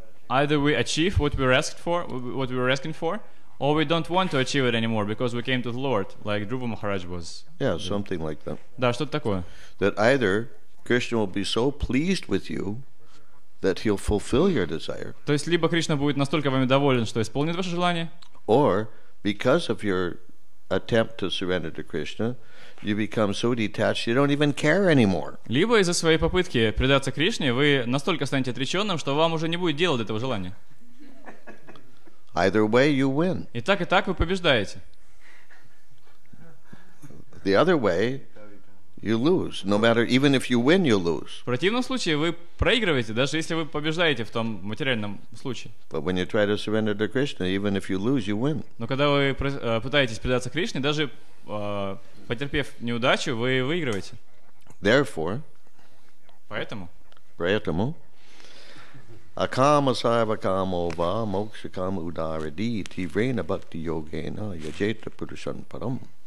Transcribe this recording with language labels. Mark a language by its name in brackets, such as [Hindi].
[English] Either we achieve what we were asking for, or we don't want to achieve it anymore because we came to the Lord, like Dhruva Maharaj was. Yeah, something like that. [Russian] Да, что-то такое. [English] That either Krishna will be so pleased with you that he'll fulfill your desire. [Russian] То есть либо Кришна будет настолько вами доволен, что исполнит ваше желание. [English] Or because of your attempt to surrender to Krishna, you become so detached you don't even care anymore. [Russian] Либо из-за своей попытки предаться Кришне вы настолько станете отреченным, что вам уже не будет дела до этого желания. [English] Either way, you win. [Russian] И так вы побеждаете. [English] The other way, you lose. No matter, even if you win, you lose. [Russian] В противном случае вы проигрываете, даже если вы побеждаете в том материальном случае. [English] But when you try to surrender to Krishna, even if you lose, you win. [Russian] Но когда вы пытаетесь предаться Кришне, даже потерпев неудачу, вы выигрываете. [English] Therefore. [Russian] Поэтому. [Sanskrit] Акама сарва камо ва мокша кама удара ди тиврена бхакти йогена яджета пурушан парам.